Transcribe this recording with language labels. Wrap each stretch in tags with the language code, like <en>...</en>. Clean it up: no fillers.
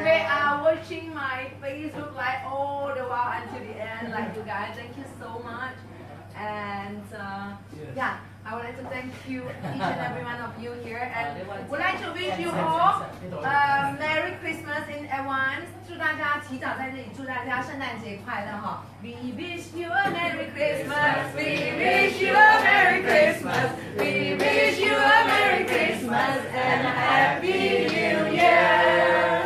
<en>They are watching my Facebook Live all the while until the end. Like you guys, thank you so much. And yeah, I would like to thank you, each and every one of you here. And would like to wish you all Merry Christmas in advance.</en> <zh>祝大家提早在这里祝大家圣诞节快乐哈。</zh> <en>We wish you a Merry Christmas. We wish you a Merry Christmas. We wish you a Merry Christmas and a Happy New Year.</en>